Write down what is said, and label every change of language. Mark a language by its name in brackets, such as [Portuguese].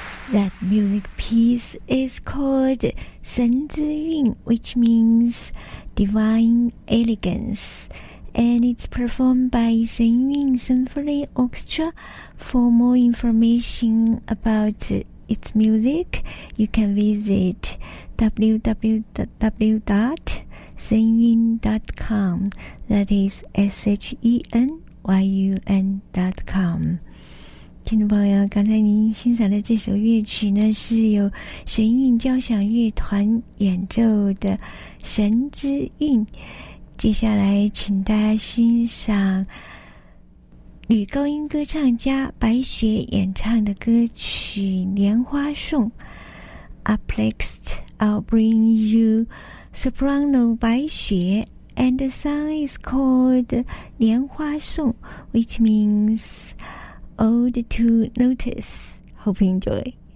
[English] That music piece is called [Chinese] 神之韵, [English] which means divine elegance, and it's performed by 神韵 Symphony Orchestra. For more information about its music, you can visit www.senyun.com. That is senyun.com. [Chinese] 听众朋友，刚才您欣赏的这首乐曲呢，是由神韵交响乐团演奏的《神之韵》。接下来，请大家欣赏女高音歌唱家白雪演唱的歌曲《莲花颂》。 [English] Uplexed, I'll bring you soprano 白雪 ，and the song is called [Chinese] 《莲花颂》， [English] which means Ode to Lotus. Hope you enjoy.